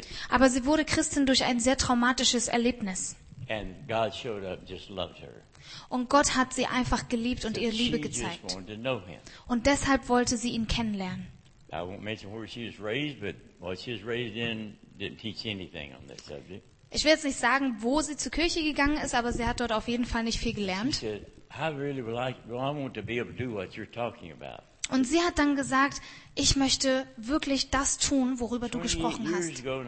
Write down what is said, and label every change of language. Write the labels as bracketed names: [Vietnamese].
[German] Aber sie wurde Christin durch ein sehr traumatisches Erlebnis. [English] And God showed up, just loved her. [German] Und Gott hat sie einfach geliebt und ihr Liebe gezeigt. Und deshalb wollte sie ihn kennenlernen. [English] I won't mention where she was raised, but what she was raised in didn't teach anything on that subject. [German] Ich will jetzt nicht sagen, wo sie zur Kirche gegangen ist, aber sie hat dort auf jeden Fall nicht viel gelernt. Und sie hat dann gesagt, ich möchte wirklich das tun, worüber du gesprochen hast.